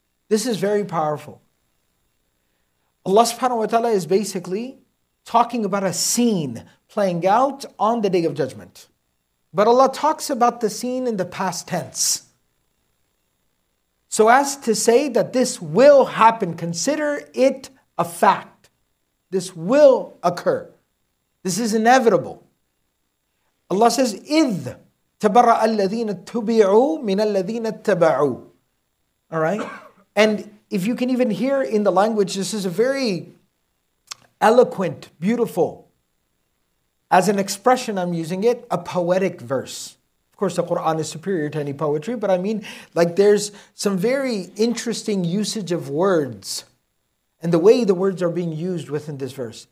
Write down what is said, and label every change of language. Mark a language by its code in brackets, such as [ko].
[en] This is very powerful. Allah subhanahu wa ta'ala is basically talking about a scene playing out on the Day of Judgment. But Allah talks about the scene in the past tense. So as to say that this will happen, consider it a fact. This will occur. This is inevitable. Allah says, [ar] إِذْ تَبَرَّأَ الَّذِينَ تُبِعُوا مِنَ الَّذِينَ تَبَعُوا. [en] All right? And if you can even hear in the language, this is a very eloquent, beautiful, as an expression I'm using it, a poetic verse. Of course, the Quran is superior to any poetry, but I mean, like, there's some very interesting usage of words and the way the words are being used within this verse.